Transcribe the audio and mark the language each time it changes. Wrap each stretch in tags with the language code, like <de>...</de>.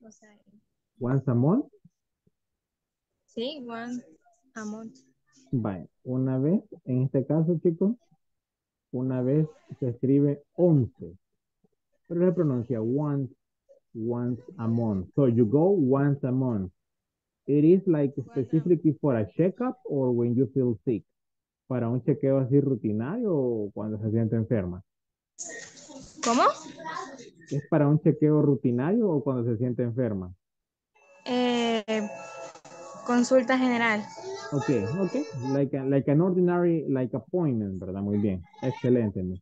<es>O sea,</es> <en>once a month? Sí, once a month.</en> <es>Vale, una vez, en este caso, chicos, una vez se escribe once, pero se pronuncia once.</es> <en>Once a month. So you go once a month. It is like specifically for a checkup or when you feel sick.</en> <es>Para un chequeo así rutinario o cuando se siente enferma. ¿Cómo? Es para un chequeo rutinario o cuando se siente enferma. Consulta general.</es> <en>Okay, okay. Like an ordinary, like appointment,</en> <es>¿verdad? Muy bien. Excelente.</es>